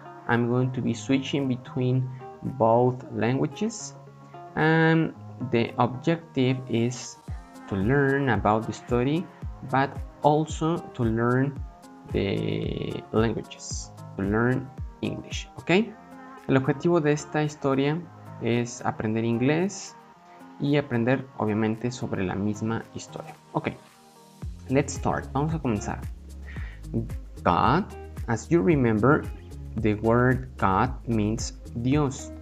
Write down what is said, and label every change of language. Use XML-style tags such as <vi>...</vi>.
<en>I'm going to be switching between both languages. The objective is to learn about the story, but also to learn the languages, to learn English, okay?</en> <es>El objetivo de esta historia es aprender inglés y aprender, obviamente, sobre la misma historia.</es> <en>Okay, let's start.</en> <es>Vamos a comenzar.</es> <en>God, as you remember, the word God means Dios.</en>